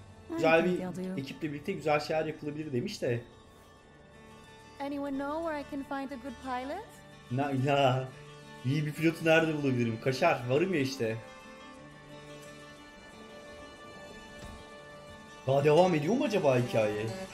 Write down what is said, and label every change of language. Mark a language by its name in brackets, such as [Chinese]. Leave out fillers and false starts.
[Turkish] Güzel bir ekiple birlikte güzel şeyler yapılabilir demiş de. [English] Anyone know where I can find a good pilot? [Turkish] Ya, iyi bir pilotu nerede bulabilirim? Kaşar, varım ya işte. Daha devam ediyor mu acaba hikaye?